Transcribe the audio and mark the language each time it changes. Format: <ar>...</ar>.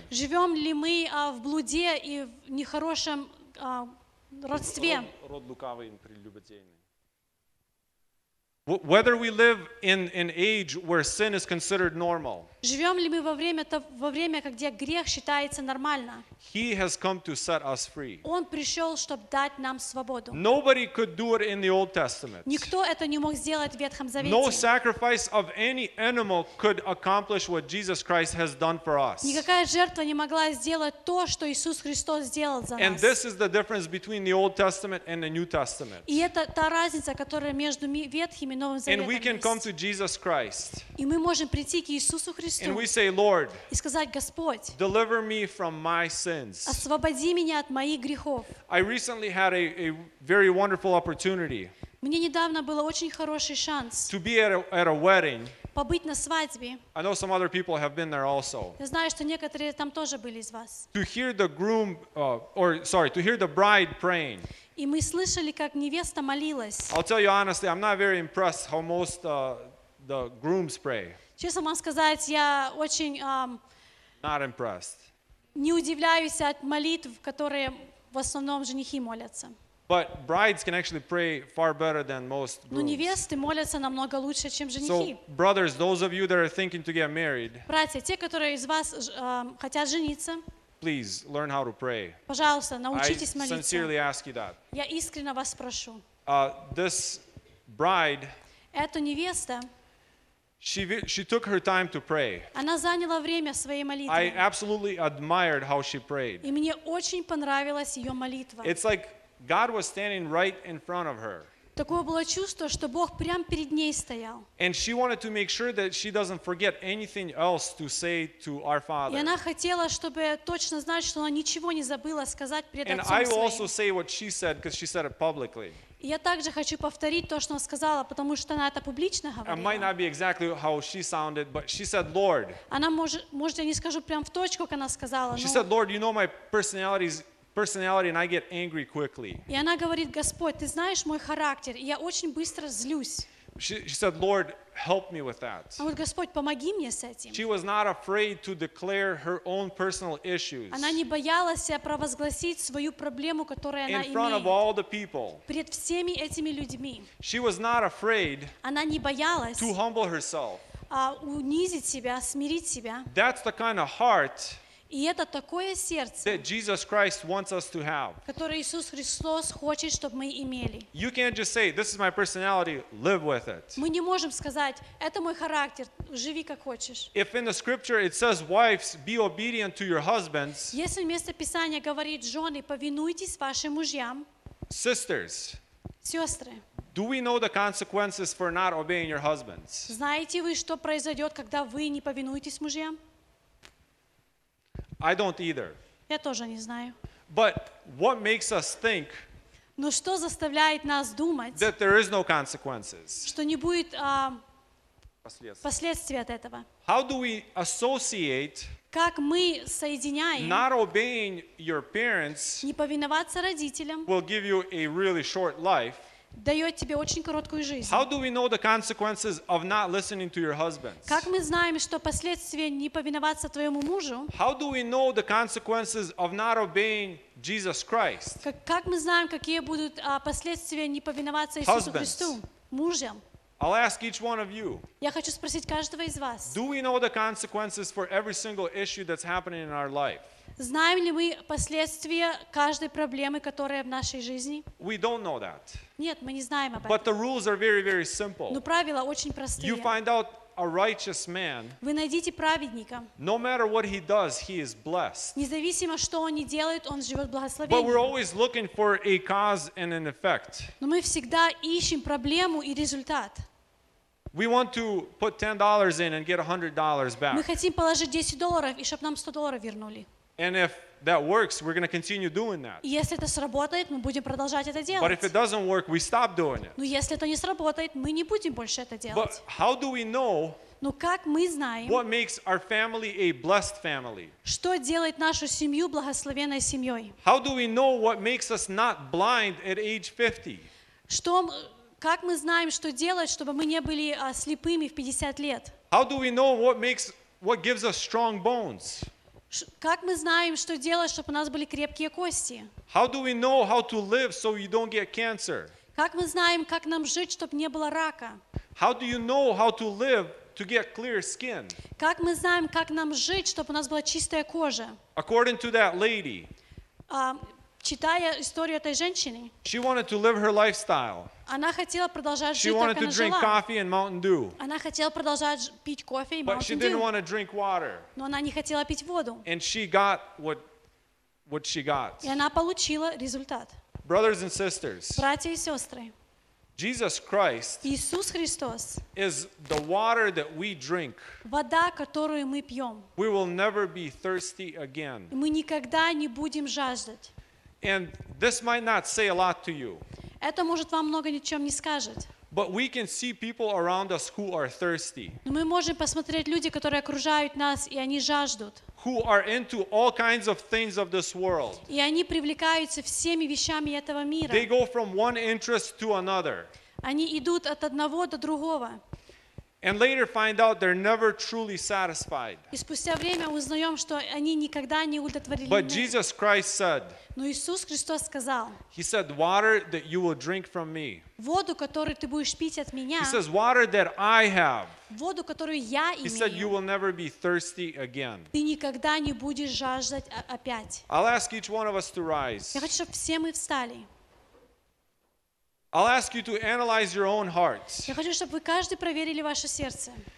<ru>Живем ли мы в блуде и в нехорошем родстве? Род лукавый и прелюбодейный.</ru> <en>Whether we live in an age where sin is considered normal.</en> <ru>Живем ли мы во время, когда грех считается нормально?</ru> <en>He has come to set us free.</en> <ru>Он пришел, чтобы дать нам свободу.</ru> <en>Nobody could do it in the Old Testament.</en> <ru>Никто это не мог сделать в Ветхом Завете.</ru> <en>No sacrifice of any animal could accomplish what Jesus Christ has done for us.</en> <ru>Никакая жертва не могла сделать то, что Иисус Христос сделал за нас.</ru> <en>And this is the difference between the Old Testament and the New Testament.</en> <ru>И это та разница, которая между Ветхим и Новым Заветом.</ru> <en>And we can come to Jesus Christ.</en> <ru>И мы можем прийти к Иисусу Христу.</ru> <en>And we say, Lord,</en> <ru>и сказать, Господь,</ru> <en>deliver me from my sins.</en> <ru>Освободи меня от моих грехов.</ru> <en>I recently had a very wonderful opportunity.</en> <ru>Мне недавно было очень хороший шанс.</ru> <en>To be at a wedding.</en> <ru>Побыть на свадьбе.</ru> <en>I know some other people have been there also.</en> <ru>Я знаю, что некоторые там тоже были из вас.</ru> <en>To hear the groom, to hear the bride praying.</en> <ru>И мы слышали, как невеста молилась.</ru> <en>I'll tell you honestly, I'm not very impressed how most the grooms pray.</en> <ru>Честно вам сказать, я очень не удивляюсь от молитв, которые в основном женихи молятся.</ru> <en>But brides can actually pray far better than most grooms.</en> <ru>Но невесты молятся намного лучше, чем женихи.</ru> <en>So, brothers, those of you that are thinking to get married,</en> <ru>братья, те, которые из вас хотят жениться,</ru> <en>please learn how to pray.</en> <ru>Пожалуйста, научитесь молиться.</ru> <en>I sincerely ask you that.</en> <ru>Я искренне вас прошу.</ru> <en>This bride.</en> <ru>Эта невеста.</ru> <en>She took her time to pray.</en> <ru>Она заняла время своей молитвы.</ru> <en>I absolutely admired how she prayed.</en> <ru>И мне очень понравилась ее молитва.</ru> <en>It's like God was standing right in front of her.</en> <ru>Такое было чувство, что Бог прямо перед ней стоял.</ru> <en>And she wanted to make sure that she doesn't forget anything else to say to our Father.</en> <ru>И она хотела, чтобы точно знать, что она ничего не забыла сказать перед Отцом Своим.</ru> <en>And I will also say what she said because she said it publicly.</en> <ru>Я также хочу повторить то, что она сказала, потому что она это публично говорила.</ru> <en>It might not be exactly how she sounded, but she said, "Lord."</en> <ru>Она может, я не скажу прям в точку, как она сказала.</ru> <en>She said, "Lord, you know my personality, and I get angry quickly."</en> <ru>И она говорит, Господь, ты знаешь мой характер, и я очень быстро злюсь.</ru> <en>She said, "Lord, help me with that."</en> <ru>А вот Господь, помоги мне с этим.</ru> <en>She was not afraid to declare her own personal issues.</en> <ru>Она не боялась провозгласить свою проблему, которую она имеет.</ru> <en>In front of all the people.</en> <ru>Перед всеми этими людьми.</ru> <en>She was not afraid.</en> <ru>Она не боялась.</ru> <en>To humble herself.</en> <ru>Унизить себя, смирить себя.</ru> <en>That's the kind of heart.</en> <ru>И это такое сердце,</ru> <en>that Jesus Christ wants us to have.</en> <ru>Которое Иисус Христос хочет, чтобы мы имели.</ru> <en>You can't just say, "This is my personality. Live with it."</en> <ru>Мы не можем сказать, это мой характер. Живи как хочешь.</ru> <en>If in the Scripture it says, "Wives, be obedient to your husbands."</en> <ru>Если место Писания говорит, жены, повинуйтесь вашим мужьям.</ru> <en>Sisters.</en> <ru>Сестры.</ru> <en>Do we know the consequences for not obeying your husbands?</en> <ru>Знаете вы, что произойдет, когда вы не повинуетесь мужьям?</ru> <en>I don't either.</en> <ru>Я тоже не знаю.</ru> <en>But what makes us think?</en> <ru>Но что заставляет нас думать?</ru> <en>That there is no consequences.</en> <ru>Что не будет последствий от этого?</ru> <en>How do we associate?</en> <ru>Как мы соединяем?</ru> <en>Not obeying your parents.</en> <ru>Не повиноваться родителям.</ru> <en>Will give you a really short life.</en> <ru>дает тебе очень короткую жизнь.</ru> <en>How do we know the consequences of not listening to your husband?</en> <ru>Как мы знаем, что последствия не повиноваться твоему мужу?</ru> <en>How do we know the consequences of not obeying Jesus Christ?</en> <ru>Как мы знаем, какие будут последствия не повиноваться Иисусу Христу? Мужем.</ru> <en>I'll ask each one of you.</en> <ru>Я хочу спросить каждого из вас.</ru> <en>Do we know the consequences for every single issue that's happening in our life?</en> <ru>Знаем ли мы последствия каждой проблемы, которая в нашей жизни?</ru> <en>We don't know that.</en> <ru>Нет, мы не знаем об этом.</ru> <en>But the rules are very, very simple.</en> <ru>Но правила очень простые.</ru> <en>You find out a righteous man.</en> <ru>Вы найдете праведника.</ru> <en>No matter what he does, he is blessed.</en> <ru>Независимо, что он не делает, он живет благословением.</ru> <en>But we're always looking for a cause and an effect.</en> <ru>Но мы всегда ищем проблему и результат.</ru> <en>We want to put $10 in and get $100 back.</en> <ru>Мы хотим положить 10 долларов и чтобы нам 100 долларов вернули.</ru> <en>And if that works, we're going to continue doing that.</en> <ru>Если это сработает, мы будем продолжать это делать.</ru> <en>But if it doesn't work, we stop doing it.</en> <ru>Но если это не сработает, мы не будем больше это делать.</ru> <en>But how do we know?</en> <ru>Но как мы знаем?</ru> <en>What makes our family a blessed family?</en> <ru>Что делает нашу семью благословенной семьей?</ru> <en>How do we know what makes us not blind at age 50?</en> <ru>Что, как мы знаем, что делать, чтобы мы не были слепыми в 50 лет?</ru> <en>How do we know what gives us strong bones?</en> <ru>Как мы знаем, что делать, чтобы у нас были крепкие кости?</ru> <en>How do we know how to live so you don't get cancer?</en> <ru>Как мы знаем, как нам жить, чтобы не было рака?</ru> <en>How do you know how to live to get clear skin?</en> <ru>Как мы знаем, как нам жить, чтобы у нас была чистая кожа?</ru> <en>According to that lady.</en> <ru>Читая историю этой женщины.</ru> <en>She wanted to live her lifestyle.</en> <ru>Она хотела продолжать жить, как она жила.</ru> <en>She wanted to drink coffee and Mountain Dew.</en> <ru>Она хотела продолжать пить кофе и Mountain Dew.</ru> <en>But she didn't want to drink water.</en> <ru>Но она не хотела пить воду.</ru> <en>And she got what she got.</en> <ru>И она получила результат.</ru> <en>Brothers and sisters.</en> <ru>Братья и сестры.</ru> <en>Jesus Christ.</en> <ru>Иисус Христос.</ru> <en>Is the water that we drink.</en> <ru>Вода, которую мы пьем.</ru> <en>We will never be thirsty again.</en> <ru>Мы никогда не будем жаждать.</ru> <en>And this might not say a lot to you.</en> <ru>Это может вам много ничем не скажет.</ru> <en>But we can see people around us who are thirsty.</en> <ru>Мы можем посмотреть люди, которые окружают нас, и они жаждут.</ru> <en>Who are into all kinds of things of this world.</en> <ru>И они привлекаются всеми вещами этого мира.</ru> <en>They go from one interest to another.</en> <ru>Они идут от одного до другого.</ru> <en>And later find out they're never truly satisfied.</en> <ru>И спустя время узнаем, что они никогда не удовлетворены.</ru> <en>But Jesus Christ said.</en> <ru>Но Иисус Христос сказал.</ru> <en>He said, "Water that you will drink from me."</en> <ru>Воду, которую ты будешь пить от меня.</ru> <en>He says, "Water that I have."</en> <ru>Воду, которую я имею.</ru> <en>He said, "You will never be thirsty again."</en> <ru>Ты никогда не будешь жаждать опять.</ru> <en>I'll ask each one of us to rise.</en> <ru>Я хочу, чтобы все мы встали.</ru> <en>I'll ask you to analyze your own hearts.</en> <ru>Я хочу, чтобы вы каждый проверили ваше сердце.</ru>